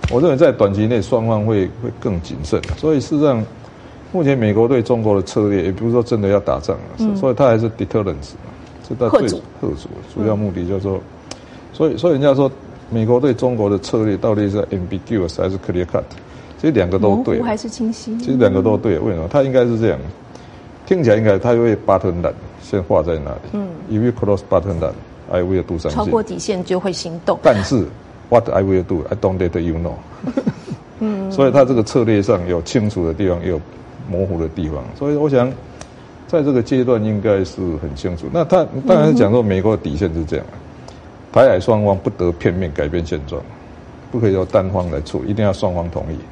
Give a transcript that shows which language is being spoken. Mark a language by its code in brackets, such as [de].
[zh] 我认为在短期内，双方会更谨慎。所以事实上，目前美国对中国的策略，也不是说真的要打仗了、所以他还是 deterrence 嘛，是他最吓阻主要目的就是说。所以人家说美国对中国的策略到底是 ambiguous 还是 clear cut， 其实两个都对，模糊还是清晰，其实两个都对。为什么？他应该是这样听起来，应该他会 button line 先画在那里。 [en] If you cross button line I will do something， [zh] 超过底线就会行动，但是 [en] what I will do I don't let you know。 [zh] 所以他这个策略上有清楚的地方，也有模糊的地方，所以我想在这个阶段应该是很清楚。那他当然讲说美国的底线是这样，台海双方不得片面改变现状，不可以由单方来处，一定要双方同意。